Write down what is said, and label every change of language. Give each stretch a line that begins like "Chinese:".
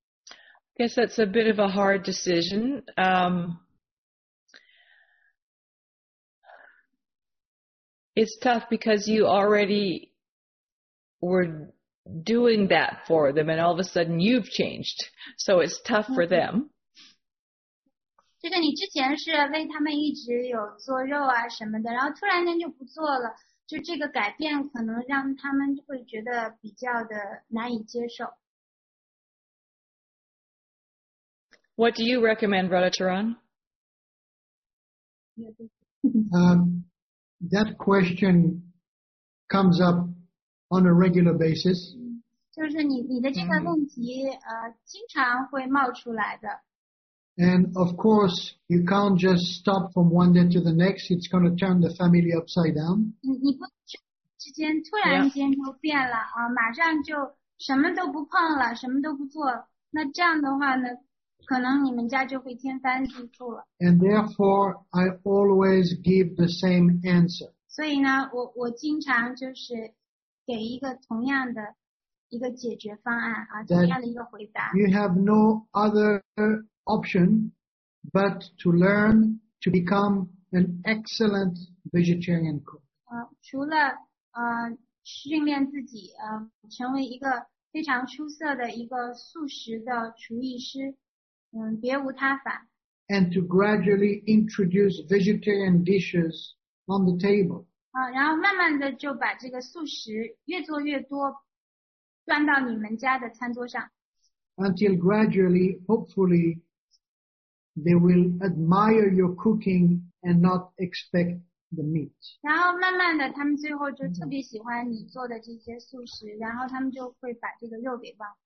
English: I guess that's a bit of a hard decision. It's tough because you already were doing that for them and all of a sudden you've changed. So it's tough for them.
Chinese: 这个你之前是为他们一直有做肉啊什么的，然后突然间就不做了，就这个改变可能让他们会觉得比较的难以接受。
English: What do you recommend, Radhacharan? That question comes up on a regular basis.
Chinese: 就是你的这个问题经常会冒出来的。
English: And of course, you can't just stop from one day to the next. It's going to turn the family upside down.
Chinese: 你不之间突然间就变了、 yeah. 马上就什么都不碰了，什么都不做。那这样的话呢，可能你们家就会天翻地覆了。
English: And therefore, I always give the same answer.
Chinese: 所以呢，我经常就是给一个同样的一个解决方案啊，同样的一个回答。
English: You have no other option but to learn to become an excellent vegetarian cook.
Chinese: 除了训练自己成为一个非常出色的一个素食的厨艺师。别无他法。
English: And to gradually introduce vegetarian dishes on the table.
Chinese: 然后慢慢的就把这个素食越做越多，端到你们家的餐桌上。
English: Until gradually, hopefully, they will admire your cooking and not expect the meat.
Chinese: 然后慢慢的，他们最后就特别喜欢你做的这些素食，然后他们就会把这个肉给忘。